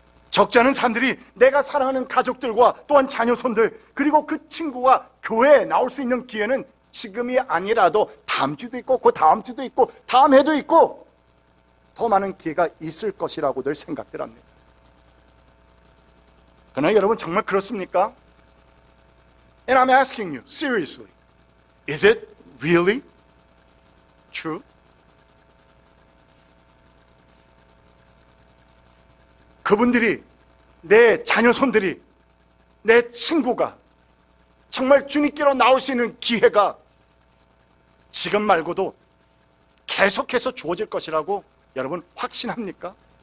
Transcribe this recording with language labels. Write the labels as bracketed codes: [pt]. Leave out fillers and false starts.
[ko] 적지 않은 사람들이 내가 사랑하는 가족들과 또한 자녀손들 그리고 그 친구가 교회에 나올 수 있는 기회는 지금이 아니라도 다음 주도 있고 그 다음 주도 있고 다음 해도 있고 더 많은 기회가 있을 것이라고들 생각들 합니다. 그러나 여러분 정말 그렇습니까? [en] And I'm asking you, seriously, is it really true? [ko] 그분들이 내 자녀손들이 내 친구가 정말 주님께로 나올 수 있는 기회가 지금 말고도 계속해서 주어질 것이라고 여러분 확신합니까?